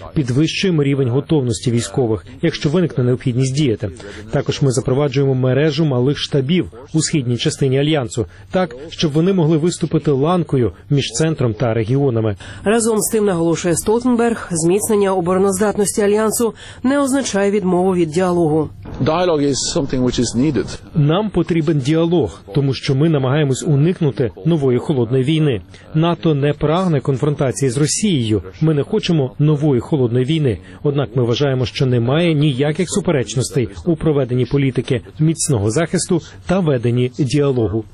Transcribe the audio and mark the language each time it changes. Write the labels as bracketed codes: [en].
[uk] Підвищуємо рівень готовності військових, якщо виникне необхідність діяти. Також ми запроваджуємо мережу малих штабів у східній частині Альянсу, так, щоб вони могли виступити ланкою між центром та регіонами. Разом з тим, наголошує Столтенберг, зміцнення обороноздатності Альянсу не означає відмову від діалогу. [en] Dialogue is something which is needed. [uk] Нам потрібен діалог, тому що ми намагаємось уникнути нової холодної війни. НАТО не прагне конфронтації з Росією. Ми не хочемо нової холодної війни. Однак ми вважаємо, що немає ніяких суперечностей у проведенні політики міцного захисту та веденні діалогу.